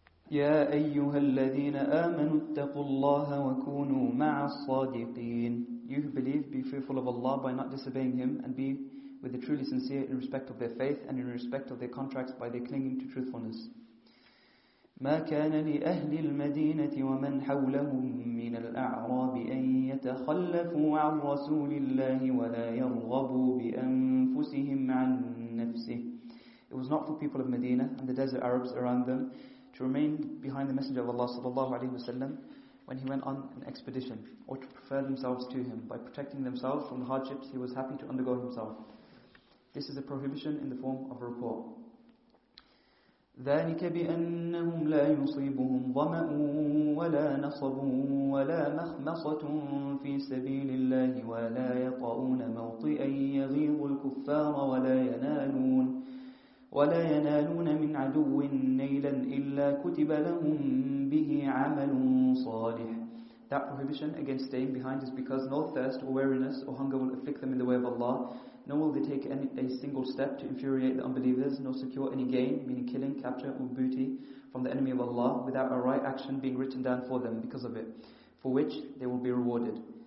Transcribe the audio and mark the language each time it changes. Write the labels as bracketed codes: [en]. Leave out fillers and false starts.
[ar] يَا أَيُّهَا الَّذِينَ آمَنُوا اتَّقُوا اللَّهَ وَكُونُوا مَعَ الصَّادِقِينَ. [en] You who believe, be fearful of Allah by not disobeying Him, and be with the truly sincere in respect of their faith and in respect of their contracts by their clinging to truthfulness. [ar] ما كان لأهل المدينة ومن حولهم من الأعراب أن يتخلفوا عن رسول الله ولا يرغبوا بأنفسهم عن نفسه. [en] It was not for people of Medina and the desert Arabs around them to remain behind the Messenger of Allah sallallahu alaihi wasallam when he went on an expedition, or to prefer themselves to him by protecting themselves from the hardships he was happy to undergo himself. This is a prohibition in the form of a report. [ar] ذلك بأنهم لا يصيبهم ظمأ ولا نصب ولا مخمصة في سبيل الله ولا يطؤون موطئا يغيظ الكفار ولا ينالون ولا ينالون من عدو نيلا إلا كتب لهم به عمل صالح. [en] That prohibition against staying behind is because no thirst or weariness or hunger will afflict them in the way of Allah, nor will they take a single step to infuriate the unbelievers, nor secure any gain, meaning killing, capture or booty from the enemy of Allah, without a right action being written down for them because of it, for which they will be rewarded.